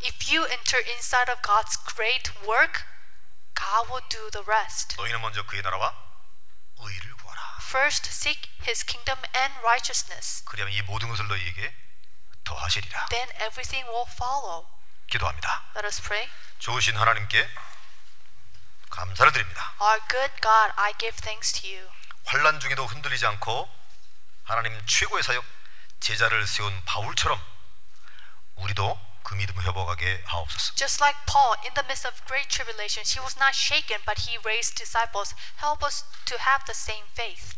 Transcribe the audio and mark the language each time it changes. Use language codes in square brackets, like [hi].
[en] If you enter inside of God's great work, God will do the rest. [ko] 너희는 먼저 그의 나라와 의를 구하라. [en] First seek his kingdom and righteousness. [ko] 그리하면 이 모든 것을 너희에게 더하시리라. [en] Then everything will follow. [ko] 기도합니다. [en] Let us pray. [ko] 좋으신 하나님께 감사를 드립니다. [en] Our good God, I give thanks to you. [ko] 환난 중에도 흔들리지 않고 하나님 최고의 사역 제자를 세운 바울처럼 우리도 그 믿음을 회복하게 하옵소서. [en] Just like Paul, in the midst of great tribulations, he was not shaken, but he raised disciples. Help us to have the same faith.